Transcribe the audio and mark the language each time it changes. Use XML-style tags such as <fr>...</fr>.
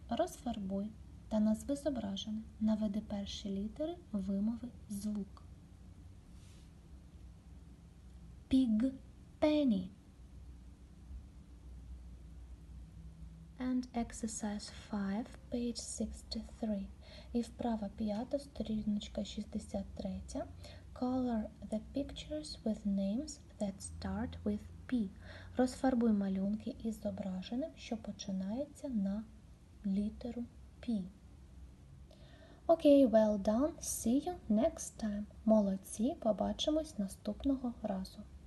<uk>Розфарбуй та назви зображене. Наведи перші літери, вимови, звук.</uk> <en>Pig, penny. And exercise 5, page 63.</en> <uk>І вправа 5, сторіночка 63.</uk> <en>Color the pictures with names that start with P.</en> <uk>Розфарбуй малюнки із зображеним, що починається на літеру P.</uk> <en>Okay, well done. See you next time.</en> <uk>Молодці, побачимось наступного разу.</uk>